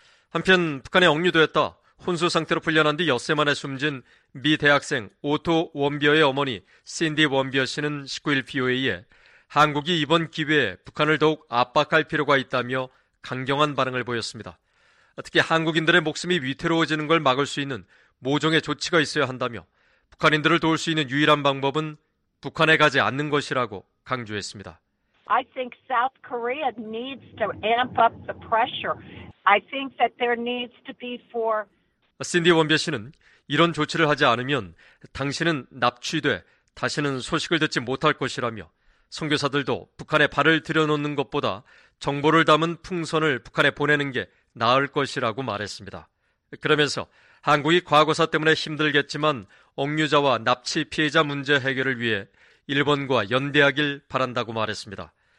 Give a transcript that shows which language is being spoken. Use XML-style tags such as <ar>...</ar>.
<ko>한편 북한에 억류되었다 혼수 상태로 풀려난 뒤 엿새 만에 숨진 미 대학생 오토 원비어의 어머니 신디 원비어 씨는 19일 VOA에 한국이 이번 기회에 북한을 더욱 압박할 필요가 있다며 강경한 반응을 보였습니다. 특히 한국인들의 목숨이 위태로워지는 걸 막을 수 있는 모종의 조치가 있어야 한다며 북한인들을 도울 수 있는 유일한 방법은 북한에 가지 않는 것이라고 강조했습니다.</ko> <en>I think South Korea needs to amp up the pressure. I think that there needs to be for</en> <ko>신디 원비어 씨는 이런 조치를 하지 않으면 당신은 납치돼 다시는 소식을 듣지 못할 것이라며 선교사들도 북한에 발을 들여놓는 것보다 정보를 담은 풍선을 북한에 보내는 게 나을 것이라고 말했습니다. 그러면서 한국이 과거사 때문에 힘들겠지만 억류자와 납치 피해자 문제 해결을 위해 일본과 연대하길 바란다고 말했습니다.</ko>